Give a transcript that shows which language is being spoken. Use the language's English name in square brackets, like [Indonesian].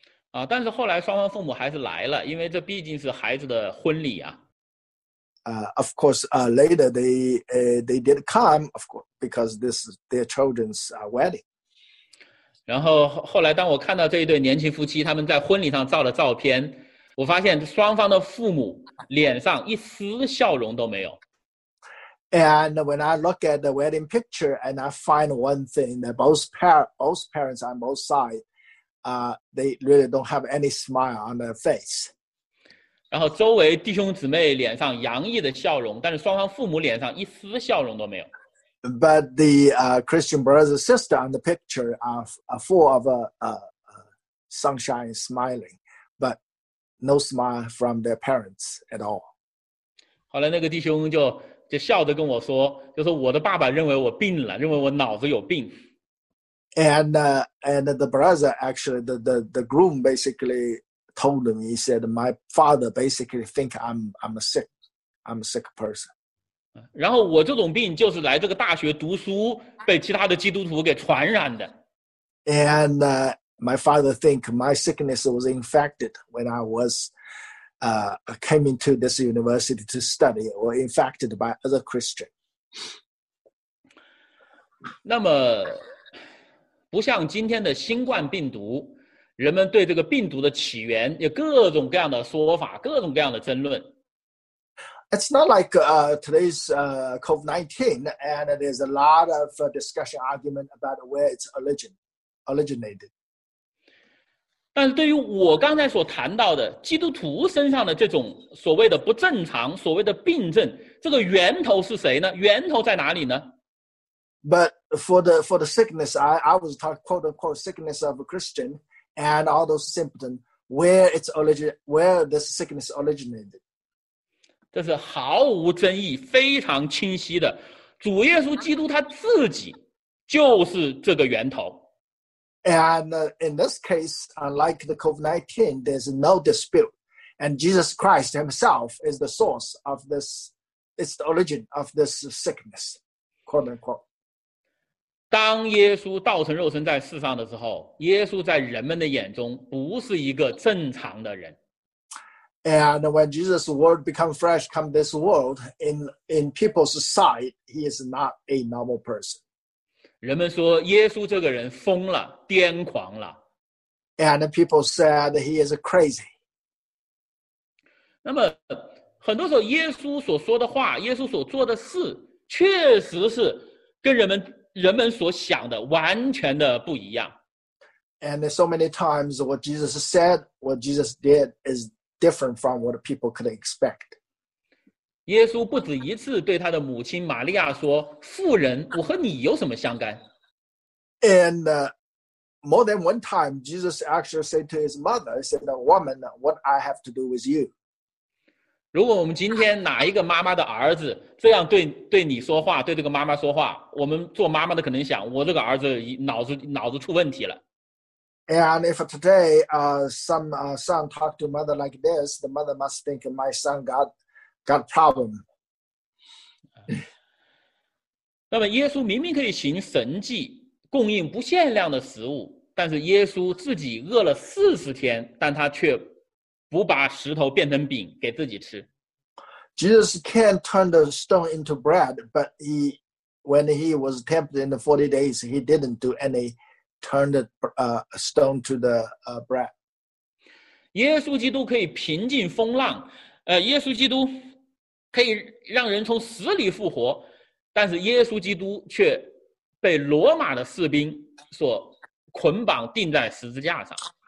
[Chinese] 啊，但是后来双方父母还是来了，因为这毕竟是孩子的婚礼啊。 [English] Of course, later they did come, of course, because this is their children's wedding. [Chinese] 然后后来当我看到这一对年轻夫妻他们在婚礼上照的照片，我发现双方的父母脸上一丝笑容都没有。 [English] And when I look at the wedding picture and I find one thing, that both parents on both sides, they really don't have any smile on their face. [Chinese] 然后周围弟兄姊妹脸上洋溢的笑容，但是双方父母脸上一丝笑容都没有。 [English] But the Christian brothers and sisters on the picture are full of sunshine smiling, but no smile from their parents at all. [Chinese] 后来那个弟兄就笑着跟我说，就说我的爸爸认为我病了，认为我脑子有病。 [English] And the brother actually, the groom basically,told me, he said, my father basically think I'm a sick person. [Chinese] 然后我这种病就是来这个大学读书被其他的基督徒给传染的。 [English] And my father think my sickness was infected when I was came into this university to study or infected by other Christian. [Chinese] 那么不像今天的新冠病毒，人们对这个病毒的起源有各种各样的说法，各种各样的争论。 [English] It's not like today's COVID-19, and there's a lot of discussion argument about where it's originated. [Chinese] 但是对于我刚才所谈到的基督徒身上的这种所谓的不正常，所谓的病症，这个源头是谁呢？源头在哪里呢？ [English] But for the sickness, I was talking quote unquote sickness of a Christian. And all those symptoms, where this sickness originated. [Chinese] 这是毫无争议，非常清晰的。主耶稣基督他自己就是这个源头。 [English] And in this case, unlike the COVID-19, there's no dispute. And Jesus Christ himself is the source of this is the origin of this sickness, quote unquote. [Chinese] 当耶稣道成肉身在世上的时候，耶稣在人们的眼中不是一个正常的人。 [English] And when Jesus' word become flesh, come this world, in people's sight, he is not a normal person. [Chinese] 人们说耶稣这个人疯了，癫狂了。 [English] And people said he is crazy. [Chinese] 那么很多时候耶稣所说的话，耶稣所做的事，确实是跟人们所想的完全的不一样。 [English] And so many times what Jesus said, what Jesus did is different from what people could expect. [Chinese] 耶稣不止一次对他的母亲玛利亚说，妇人，我和你有什么相干？ [English] And more than one time, Jesus actually said to his mother, said, woman, what I have to do with you? [Chinese] 如果我们今天哪一个妈妈的儿子这样对你说话，对这个妈妈说话，我们做妈妈的可能想，我这个儿子脑子出问题了。 [English] And if today some son talk to mother like this, the mother must think my son got a problem. [Chinese] 那么耶稣明明可以行神迹，供应不限量的食物，但是耶稣自己饿了40天，但他却不把石头变成饼给自己吃。 [English] Jesus can't turn the stone into bread, but when he was tempted in the 40 days, he didn't do anythingturn the stone to the bread. [Chinese] 耶稣基督可以平静风浪，耶稣基督可以让人从死里复活，但是耶稣基督却被罗马的士兵所捆绑钉在十字架上。